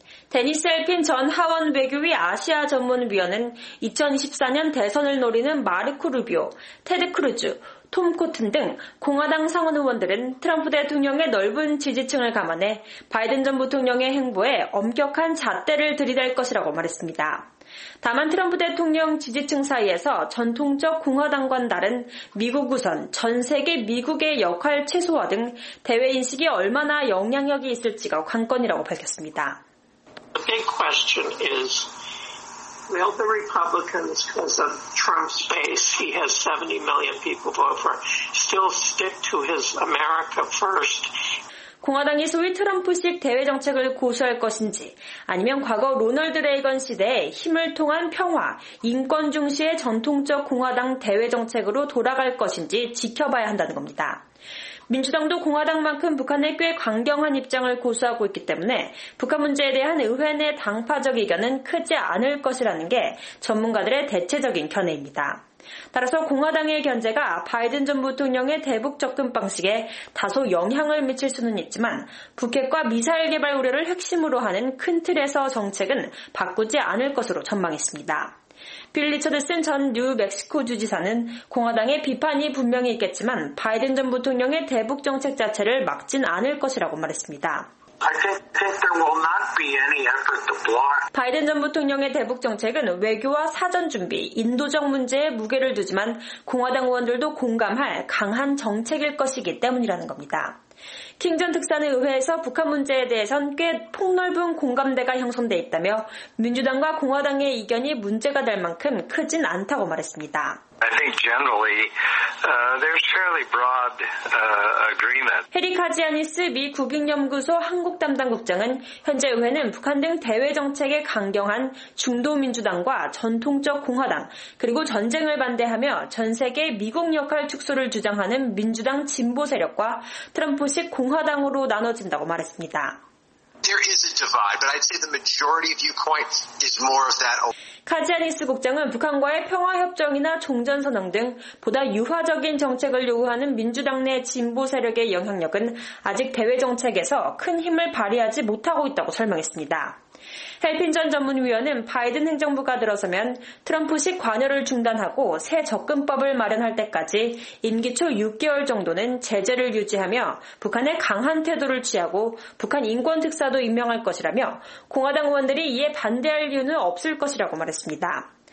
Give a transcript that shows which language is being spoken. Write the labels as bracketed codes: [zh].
[ko] 데니스 엘핀 전 하원 외교위 아시아 전문위원은 2024년 대선을 노리는 마르코 루비오, 테드 크루즈, 톰 코튼 등 공화당 상원 의원들은 트럼프 대통령의 넓은 지지층을 감안해 바이든 전 부통령의 행보에 엄격한 잣대를 들이댈 것이라고 말했습니다. 다만 트럼프 대통령 지지층 사이에서 전통적 공화당과는 다른 미국 우선, 전 세계 미국의 역할 최소화 등 대외 인식이 얼마나 영향력이 있을지가 관건이라고 밝혔습니다. [en] The big question is, will the Republicans, because of Trump's base, he has 70 million people vote for, still stick to his America first? [ko] 공화당이 소위 트럼프식 대외 정책을 고수할 것인지 아니면 과거 로널드 레이건 시대에 힘을 통한 평화, 인권 중시의 전통적 공화당 대외 정책으로 돌아갈 것인지 지켜봐야 한다는 겁니다. 민주당도 공화당만큼 북한에 꽤 강경한 입장을 고수하고 있기 때문에 북한 문제에 대한 의회 내 당파적 의견은 크지 않을 것이라는 게 전문가들의 대체적인 견해입니다. 따라서 공화당의 견제가 바이든 전 부통령의 대북 접근 방식에 다소 영향을 미칠 수는 있지만 북핵과 미사일 개발 우려를 핵심으로 하는 큰 틀에서 정책은 바꾸지 않을 것으로 전망했습니다. 빌 리처드슨 전 뉴멕시코 주지사는 공화당의 비판이 분명히 있겠지만 바이든 전 부통령의 대북 정책 자체를 막진 않을 것이라고 말했습니다. [en] I think there will not be any effort to block. [ko] 바이든 전 부통령의 대북 정책은 외교와 사전 준비, 인도적 문제에 무게를 두지만 공화당 의원들도 공감할 강한 정책일 것이기 때문이라는 겁니다. 킹전 특사는 의회에서 북한 문제에 대해선 꽤 폭넓은 공감대가 형성돼 있다며 민주당과 공화당의 이견이 문제가 될 만큼 크진 않다고 말했습니다. [en] I think generally there's fairly broad agreement. [ko] 해리 카지아니스 미 국익연구소 한국 담당 국장은 현재 의회는 북한 등 대외 정책에 강경한 중도 민주당과 전통적 공화당 그리고 전쟁을 반대하며 전 세계 미국 역할 축소를 주장하는 민주당 진보 세력과 트럼프식 공화당으로 나눠진다고 말했습니다. [en] There is a divide, but I'd say the majority viewpoint is more of that. [ko] 카지아니스 국장은 북한과의 평화협정이나 종전선언 등 보다 유화적인 정책을 요구하는 민주당 내 진보 세력의 영향력은 아직 대외 정책에서 큰 힘을 발휘하지 못하고 있다고 설명했습니다. 헬핀 전 전문위원은 바이든 행정부가 들어서면 트럼프식 관여를 중단하고 새 접근법을 마련할 때까지 임기 초 6개월 정도는 제재를 유지하며 북한의 강한 태도를 취하고 북한 인권특사도 임명할 것이라며 공화당 의원들이 이에 반대할 이유는 없을 것이라고 말했습니다.